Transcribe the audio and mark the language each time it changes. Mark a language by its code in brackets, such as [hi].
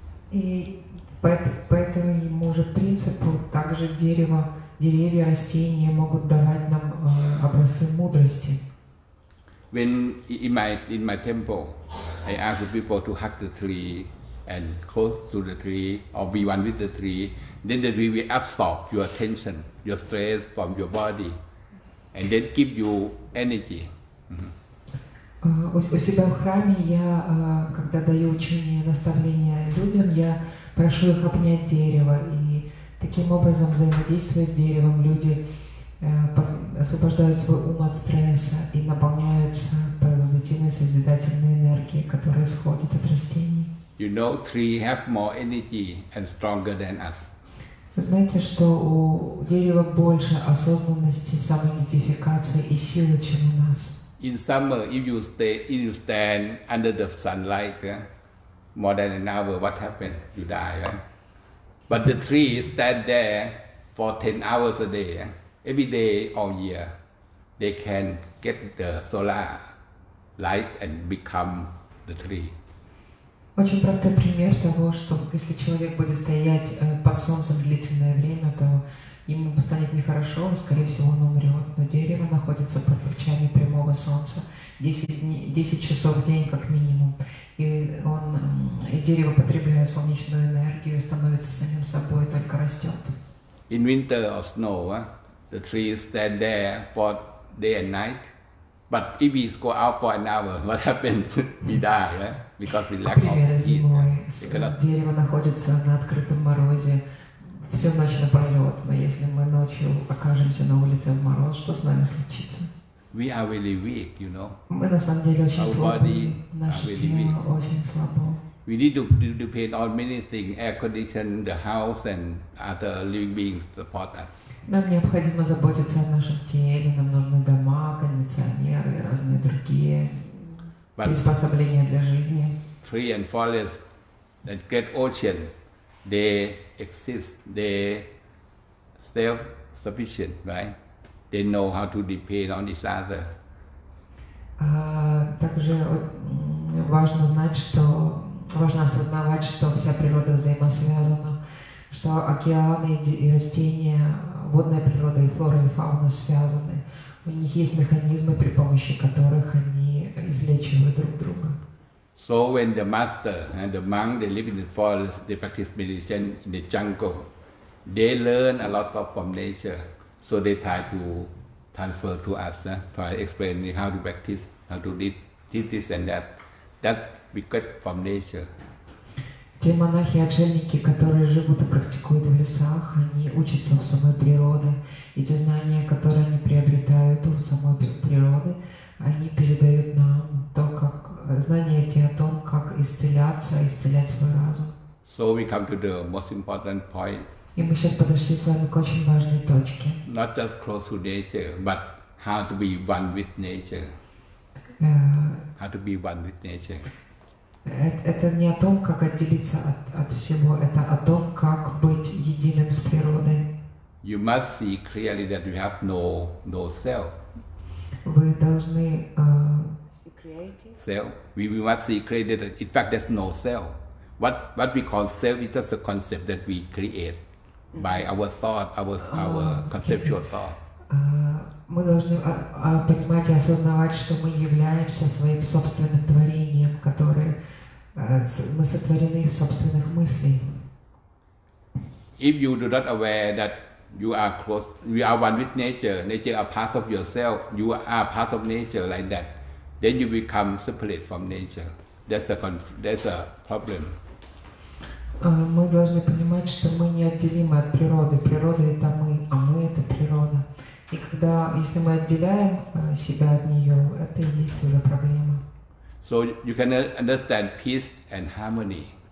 [ru] И поэтому может принципу также деревья, растения могут давать нам образцы мудрости. [en] When in my temple, I ask the people to hug the tree and close to the tree or be one with the tree, then the tree will absorb your tension, your stress from your body, and then give you energy. [ru] У себя в храме я, когда даю учение, наставления людям, я прошу их обнять дерево, и таким образом, взаимодействуя с деревом, люди освобождают свой ум от стресса и наполняются позитивной созидательной энергией, которая исходит от растений. [en] You know, tree have more energy and stronger than us. [ru] Вы знаете, что у дерева больше осознанности, самоидентификации и силы, чем у нас. [en] In summer, if you stand under the sunlight more than an hour, what happens? You die, right? But the tree stand there for 10 hours a day. Every day, all year, they can get the solar light and become the tree. [ru] Очень простой пример того, что если человек будет стоять под солнцем длительное время, то ему станет нехорошо, и, скорее всего, он умрет. Но дерево находится под лучами прямого солнца 10 часов в день, как минимум. И дерево, потребляя солнечную энергию, становится самим собой, только растет. [en] In winter or snow, the trees stand there for day and night. But if we go out for an hour, what happens? We die, Because we lack of heat. [ru] Дерево находится на открытом морозе всю ночь напролет, но если мы ночью окажемся на улице в мороз, что с нами случится? [en] We are really weak, you know. [ru] Мы на самом деле очень слабы. Наше тело очень слабо. [en] We need to pay on many things, air condition, the house, and other living beings support us. [ru] Нам необходимо заботиться о нашем теле, нам нужны дома, кондиционеры и разные другие приспособления для жизни. [en] Tree and forest, that great ocean, they exist, they self-sufficient, right? They know how to depend on each other. [ru] Также важно знать, что важно осознавать, что вся природа взаимосвязана, что океаны и растения, водная природа и флора и фауна связаны. У них есть механизмы, при помощи которых они излечивают друг друга. [en] So when the master and the monk, they live in the forest, they practice meditation in the jungle, they learn a lot from nature, so they try to transfer to us, try to explain how to practice, how to teach this and that. That we get from nature. [ru] Те монахи, отшельники, которые живут и практикуют в лесах, они учатся у самой природы, и те знания, которые они приобретают у самой природы, они передают нам то, как знания эти о том, как исцеляться, исцелять свой разум. [en] So we come to the most important point. [ru] И мы сейчас подошли с вами к очень важной точке. [en] Not just close to nature, but how to be one with nature. How to be one with nature. [ru] Это не о том, как отделиться от всего, это о том, как быть единым с природой. [en] You must see clearly that you have no self. [ru] Вы должны [en] see creative. Self. We must see clearly that in fact there's no self. What we call self is just a concept that we create by our thought, our conceptual thought. [ru] Мы должны понимать и осознавать, что мы являемся своим собственным творением, которое мы сотворены из собственных мыслей. [en] If you do not aware that you are close, you are one with nature, nature are part of yourself, you are part of nature like that, then you become separate from nature. That's a problem. [ru] Мы должны понимать, что мы не отделимы от природы. Природа это мы, а мы это природа. И когда, если мы отделяем себя от нее, это и есть уже проблема. [en] So you can understand peace and harmony.